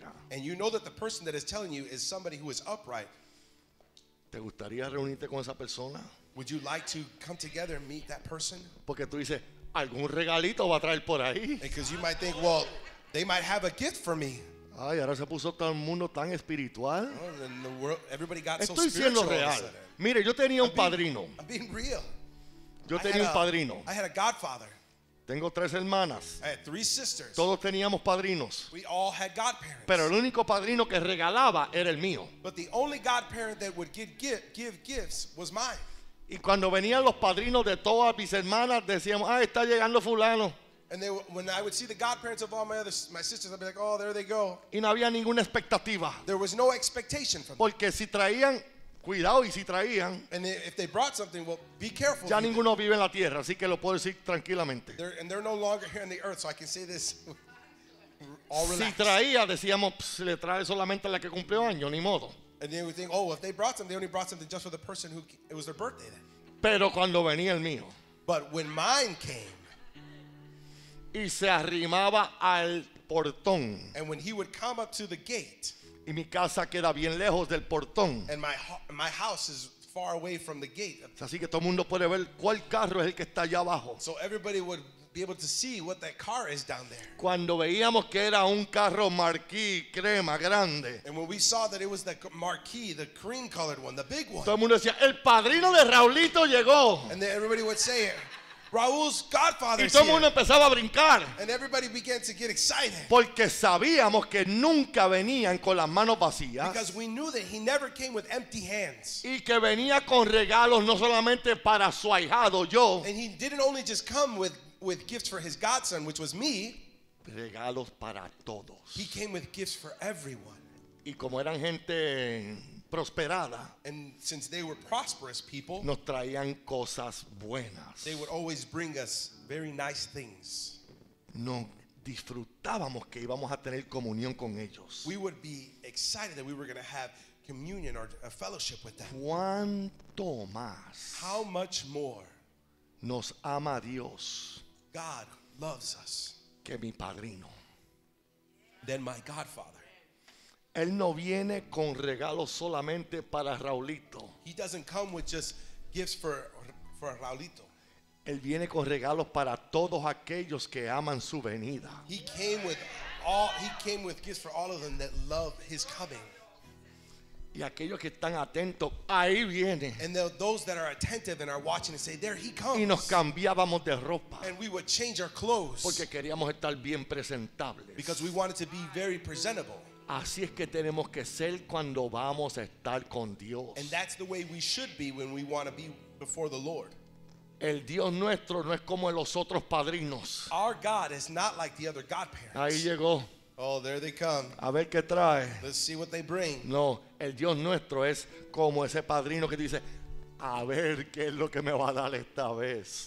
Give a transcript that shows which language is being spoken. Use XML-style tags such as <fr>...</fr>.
<en>And you know that the person that is telling you is somebody who is upright.</en> <es>¿Te gustaría reunirte con esa persona?</es> <en>Would you like to come together and meet that person?</en> <es>Porque tú dices, algún regalito va a traer por ahí.</es> <en>Because you might think, well, they might have a gift for me.</en> <es>Ay, ahora se puso todo el mundo tan espiritual.</es> <en>World, everybody got</en> <es>estoy</es> <en>so spiritual</en> <es>siendo real. Mire, yo tenía un padrino.</es> <en>I'm being real.</en> <es>Yo tenía un padrino.</es> <en>I had a godfather.</en> <es>Tengo tres hermanas.</es> <en>I had three sisters.</en> <es>Todos teníamos padrinos.</es> <en>We all had godparents.</en> <es>Pero el único padrino que regalaba era el mío.</es> <en>But the only godparent that would give gifts was mine.</en> <es>Y cuando venían los padrinos de todas mis hermanas, decíamos, ah, está llegando fulano.</es> <en>And they, when I would see the godparents of all my other my sisters, I'd be like, oh, there they go.</en> <es>Y no había ninguna expectativa.</es> <en>There was no expectation from</en> <es>porque</es> <en>them.</en> <es>Si traían, cuidado, y si traían,</es> <en>and they, if they brought something, well, be careful.</en> <es>Ya ninguno vive en la tierra, así que lo puedo decir tranquilamente.</es> <en>They're, and they're no longer here on the earth, so I can say this. All</en> <es>si traía, decíamos, le trae solamente la que cumplió año, ni modo.</es> <en>And they would think, oh, if they brought something, they only brought something just for the person who it was their birthday then.</en> <es>Pero cuando venía el mío.</es> <en>But when mine came.</en> <es>Y se arrimaba al portón.</es> <en>And when he would come up to the gate,</en> <es>y mi casa queda bien lejos del portón.</es> <en>And my house is far away from the gate.</en> <es>Así que todo el mundo puede ver cuál carro es el que está allá abajo.</es> <en>So everybody would be able to see what that car is down there.</en> <es>Cuando veíamos que era un carro marquee crema grande.</es> <en>And when we saw that it was the marquee, the cream colored one, the big one.</en> <es>Todo el mundo decía, el padrino de Raulito llegó.</es> <en>And then everybody would say it. Raúl's godfather's</en> <es>y todo</es> <en>here.</en> <es>Mundo empezaba a brincar.</es> <en>And everybody began to get excited.</en> <es>Porque sabíamos que nunca venían con las manos vacías.</es> <en>Because we knew that he never came with empty hands.</en> <es>Y que venía con regalos no solamente para su ahijado yo.</es> <en>And he didn't only just come with gifts for his godson, which was me.</en> <es>Regalos para todos.</es> <en>He came with gifts for everyone.</en> <es>Y como eran gente prosperada.</es> <en>And since they were prosperous people,</en> <es>nos traían cosas buenas.</es> <en>They would always bring us very nice things.</en> <es>Nos disfrutábamos que íbamos a tener comunión con ellos.</es> <en>We would be excited that we were going to have communion or a fellowship with them.</en> <es>¿Cuánto más?</es> <en>How much more?</en> <es>Nos ama Dios.</es> <en>God loves us.</en> <es>Que mi padrino.</es> <en>Than my godfather.</en> <es>Él no viene con regalos solamente para Raulito.</es> <en>He doesn't come with just gifts for Raulito.</en> <es>Él viene con regalos para todos aquellos que aman su venida.</es> <en>He came with gifts for all of them that love his coming.</en> <es>Y aquellos que están atentos, ahí viene.</es> <en>And those that are attentive and are watching and say, there he comes.</en> <es>Y nos cambiábamos de ropa.</es> <en>And we would change our clothes.</en> <es>Porque queríamos estar bien presentables.</es> <en>Because we wanted to be very presentable.</en> <es>Así es que tenemos que ser cuando vamos a estar con Dios.</es> <en>And that's the way we should be when we want to be before the Lord.</en> <es>El Dios nuestro no es como los otros padrinos.</es> <en>Our God is not like the other godparents.</en> <es>Ahí llegó.</es> <en>Oh, there they come.</en> <es>A ver qué trae.</es> <en>Let's see what they bring.</en> <es>No, el Dios nuestro es como ese padrino que dice, a ver qué es lo que me va a dar esta vez.</es>